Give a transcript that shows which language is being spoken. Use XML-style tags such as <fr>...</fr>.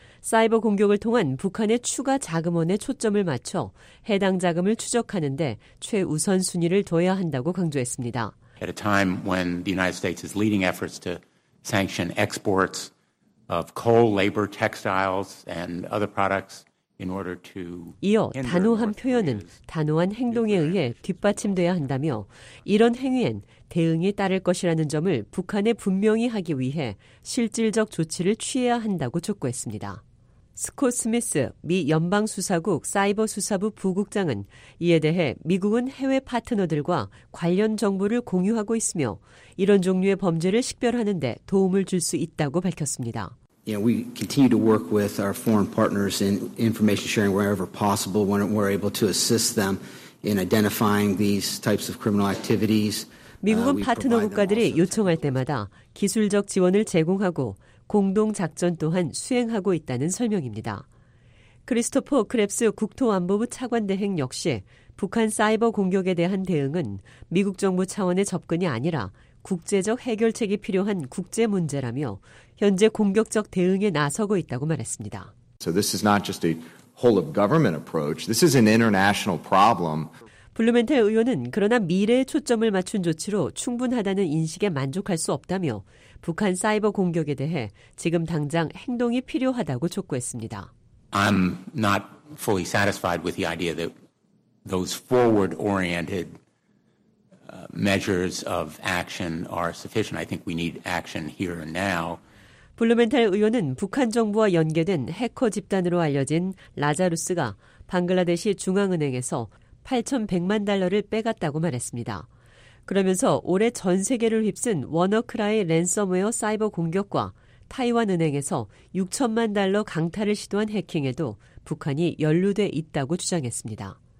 <ko>사이버 공격을 통한 북한의 추가 자금원에 초점을 맞춰 해당 자금을 추적하는 데 최우선 순위를 둬야 한다고 강조했습니다.</ko> <en>At a time when the United States is leading efforts to sanction exports of coal, labor, textiles and other products</en> <ko>이어 단호한 표현은 단호한 행동에 의해 뒷받침돼야 한다며 이런 행위엔 대응이 따를 것이라는 점을 북한에 분명히 하기 위해 실질적 조치를 취해야 한다고 촉구했습니다. 스콧 스미스 미 연방수사국 사이버수사부 부국장은 이에 대해 미국은 해외 파트너들과 관련 정보를 공유하고 있으며 이런 종류의 범죄를 식별하는 데 도움을 줄 수 있다고 밝혔습니다.</ko> <en>You know, we continue to work with our foreign partners in information sharing wherever possible when we're able to assist them in identifying these types of criminal activities.</en> <ko>미국은 파트너 국가들이 요청할 때마다 기술적 지원을 제공하고 공동 작전 또한 수행하고 있다는 설명입니다. 크리스토퍼 크랩스 국토안보부 차관대행 역시 북한 사이버 공격에 대한 대응은 미국 정부 차원의 접근이 아니라 국제적 해결책이 필요한 국제 문제라며 현재 공격적 대응에 나서고 있다고 말했습니다.</ko> <en>So this is not just a whole of government approach. This is an international problem.</en> <ko>블루멘탈 의원은 그러나 미래에 초점을 맞춘 조치로 충분하다는 인식에 만족할 수 없다며 북한 사이버 공격에 대해 지금 당장 행동이 필요하다고 촉구했습니다.</ko> <en>I'm not fully satisfied with the idea that those forward-oriented measures of action are sufficient. I think we need action here and now.</en> <ko>블루멘탈 의원은 북한 정부와 연계된 해커 집단으로 알려진 라자루스가 방글라데시 중앙은행에서 8,100만 달러를 빼갔다고 말했습니다. 그러면서 올해 전 세계를 휩쓴 워너크라이 랜섬웨어 사이버 공격과 타이완 은행에서 6천만 달러 강탈을 시도한 해킹에도 북한이 연루돼 있다고 주장했습니다.</ko>